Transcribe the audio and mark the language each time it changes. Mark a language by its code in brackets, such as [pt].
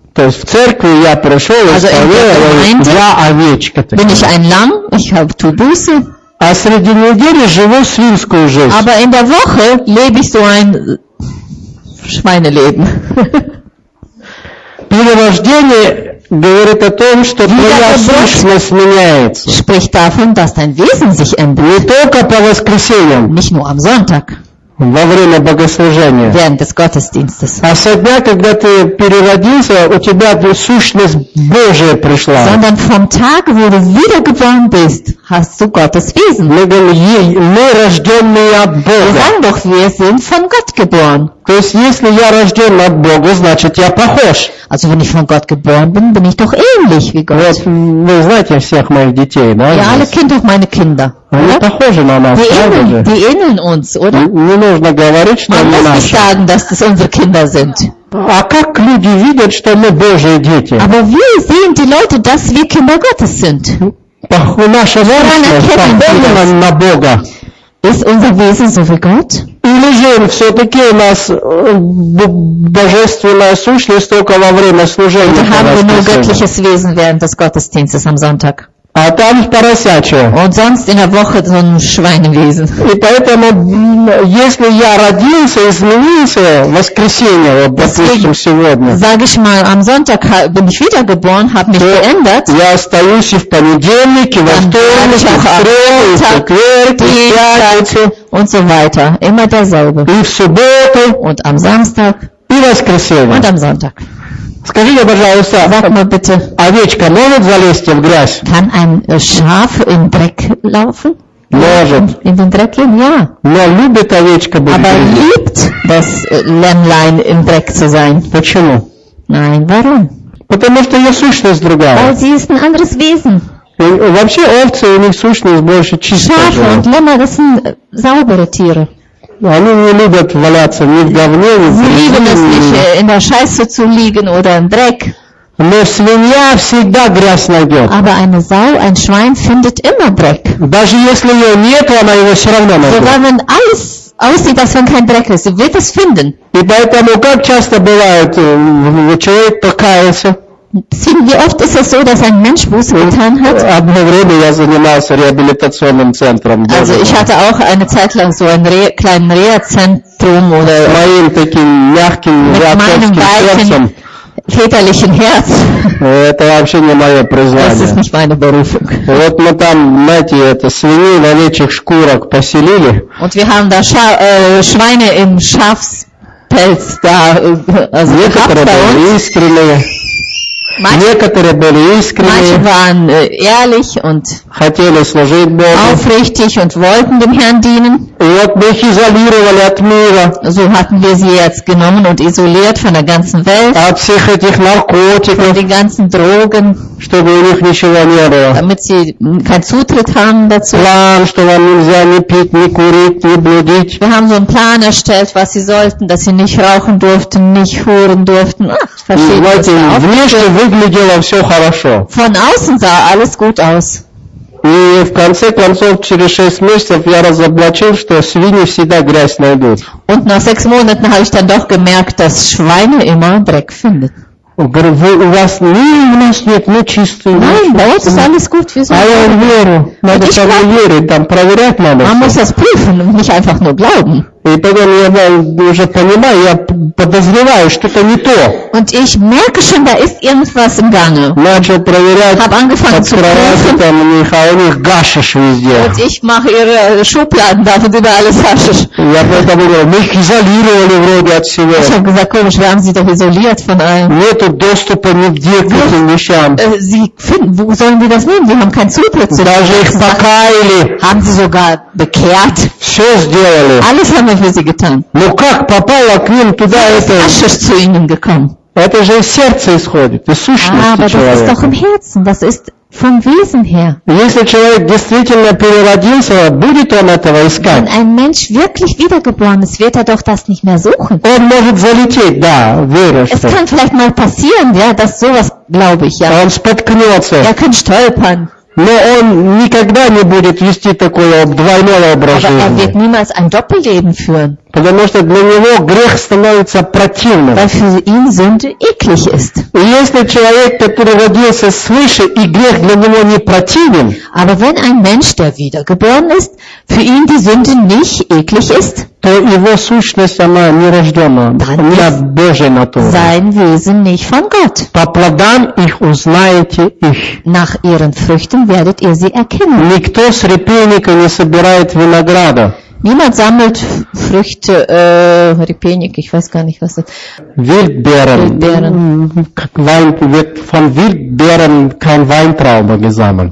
[ru] То есть в церкви я прошел, исповедовал, я овечка. [de] Bin ich ein Lamm? Ich habe Buße. [ru] А среди недели живу свинскую жизнь. [de] Aber in der Woche lebst du ein Schweineleben. [ru] Перерождение говорит о том, что твоя сущность меняется. [de] Spricht davon, dass dein Wesen sich ändert. [ru] Не только по воскресеньям. [de] Nicht nur am Sonntag. [ru] Во время богослужения. [de] Während des Gottesdienstes. [ru] А со дня, когда ты переродился, у тебя сущность Божия пришла. [de] Sondern vom Tag, wo du wiedergeboren bist, hast du Gottes Wesen. [ru] Мы говорим, мы рожденные от Бога. [de] Wir sagen doch, wir sind von Gott geboren. [ru] То есть, если я рожден от Бога, значит, я похож. [de] Also, wenn ich von Gott geboren bin, bin ich doch ähnlich wie Gott. [ru] Вот, вы знаете всех моих детей, да? [de] Ihr alle kennt doch meine Kinder. [ru] Они похожи на нас, правда? [de] Die ähneln uns, oder? [ru] Не нужно говорить, что мы наши. [de] Man muss nicht sagen, dass das unsere Kinder sind. [ru] А как люди видят, что мы Божьи дети? [de] Aber wie sehen die Leute, dass wir Kinder Gottes sind? [ru] Похоже, наше [de] Wesen [ru] похоже на Бога. [de] Ist unser Wesen so wie Gott? [ru] Или же все-таки у нас божественная сущность только во время служения? [de] Oder haben wir nur göttliches Wesen während des Gottesdienstes am Sonntag? [ru] А там поросячье. [de] Und sonst in der Woche so ein Schweinewesen. [ru] И поэтому, если я родился, изменился в воскресенье, вот, допустим, сегодня. [de] Sag ich mal, am Sonntag bin ich wiedergeboren, habe mich geändert. [ru] Я остаюсь и в понедельник, и во вторник, и в среду, и в четверг, и в пятницу. [de] Und so weiter. Immer derselbe. [ru] И в субботу. [de] Und am Samstag. [ru] И воскресенье. [de] Und am Sonntag. [ru] Скажите, пожалуйста, [de] sag mal bitte, [ru] овечка может залезть в грязь? [de] Kann ein Schaf in Dreck laufen? [ru] Может. [de] In den Dreck gehen? Ja. [ru] Но любит овечка быть. [de] Aber liebt das Lämmlein im Dreck zu sein? [ru] Почему? [de] Nein, warum? [ru] Потому что ее сущность другая. [de] Weil sie ist ein anderes Wesen. [ru] И вообще овцы, у них сущность больше чистая. [de] Schafe und Lämmer, das sind saubere Tiere. [ru] Они не любят валяться ни в говне, ни в грязи. Но свинья всегда грязь найдет. [de] Aber eine Sau, ein Schwein findet immer Dreck. [ru] Даже если ее нет, она его все равно найдет. [de] Sogar wenn alles aussieht, dass wenn kein Dreck ist, wird es finden. [ru] И поэтому как часто бывает, человек покаялся. [de] Wie oft ist es so, dass ein Mensch Buße getan hat? Also ich hatte auch eine Zeit lang so ein kleines Reha-Zentrum oder mit meinem weichen väterlichen Herz. [ru] Это вообще не мое призвание. Вот мы там, знаете, это свиней на овечьих шкурах поселили. [de] Und wir haben da Schweine im Schafspelz da, also gehabt bei uns. [ru] Некоторые были искренние, хотели служить Богу, и вот мы их изолировали от мира, от всех этих наркотиков, чтобы у них ничего не было, план, что вам нельзя ни пить, ни курить, ни блудить. Мы сделали план, что они должны были, чтобы они не курили, не курили, не курили. Знаете, внешне выглядело все хорошо. [de] Von außen sah alles gut aus. [ru] И в конце концов, через 6 месяцев я разоблачил, что свиньи всегда грязь найдут. [de] Und nach 6 Monaten habe ich dann doch gemerkt, dass Schweine immer Dreck finden. [ru] У вас нет, ну чистый. [de] Nein, bei uns ist alles gut. [ru] А я верю. Надо проверить, там проверять надо. [de] Man muss das prüfen, nicht einfach nur glauben. [ru] И потом я уже понимаю, я подозреваю, что-то не то. [de] Und ich merke schon, da ist irgendwas im Gange. [ru] Начал проверять. [de] Hab angefangen zu prüfen. [ru] Там у них, а у них гашиш везде. [de] Und ich mache ihre Schubladen, da wird immer alles haschisch. [ru] Я поэтому говорю, мы их изолировали вроде от себя. [de] Ich habe gesagt, komisch, wir haben sie doch isoliert von allen. [ru] Нету доступа нигде к этим вещам. [de] Sie finden, wo sollen die das nehmen? Sie haben keinen Zutritt zu denen. [ru] Даже их покаяли. [de] Haben sie sogar bekehrt. [ru] Все сделали. [de] Alles haben wir für sie getan. [ru] Ну как попало к ним туда это? [de] Haschisch zu ihnen gekommen. [ru] Это же из сердца исходит, из сущности человека. [de] Aber das ist doch im Herzen, das ist vom Wesen her. [ru] Если человек действительно переродился, будет он этого искать? [de] Wenn ein Mensch wirklich wiedergeboren ist, wird er doch das nicht mehr suchen. [ru] Он может залететь, да, верю, что. [de] Es kann vielleicht mal passieren, ja, dass sowas, glaube ich, ja. [ru] Он споткнется. [de] Er kann stolpern. [ru] Но он никогда не будет вести такое двойное образ жизни. [de] Aber er wird niemals ein Doppelleben führen. [ru] Потому что для него грех становится противным. [de] Weil für ihn Sünde eklig ist. [ru] И если человек, который родился свыше, и грех для него не противен, [de] aber wenn ein Mensch, der wiedergeboren ist, für ihn die Sünde nicht eklig ist, [ru] то его сущность, она нерождена, не от Божьей натуры. [de] Sein Wesen nicht von Gott. [ru] По плодам их узнаете их. [de] Nach ihren Früchten werdet ihr sie erkennen. [ru] Никто с репейника не собирает винограда. [de] Niemand sammelt Früchte, Repenik, ich weiß gar nicht, was das. Wildbeeren. Wein, wird von Wildbeeren kein Weintrauben gesammelt.